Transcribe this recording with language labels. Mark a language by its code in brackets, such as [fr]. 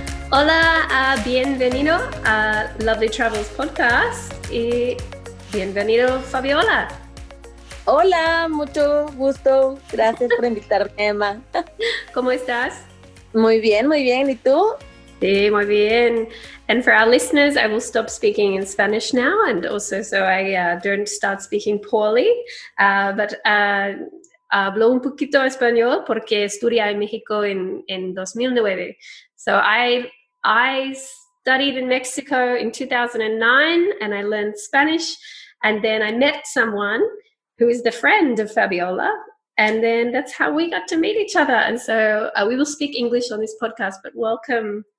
[es] Hola, bienvenido a Lovely Travels podcast y bienvenido Fabiola. Hola, mucho gusto. Gracias por invitarme, Emma. ¿Cómo estás? Muy bien, muy bien. ¿Y tú? Sí, muy bien. [en] And for our listeners, I will stop speaking in Spanish now, and also so I don't start speaking poorly. [es] But hablo un poquito español porque estudié en México en 2009. [en] So I studied in Mexico in 2009, and I learned Spanish, and then I met someone who is the friend of Fabiola. And then that's how we got to meet each other. And so we will speak English on this podcast, but welcome.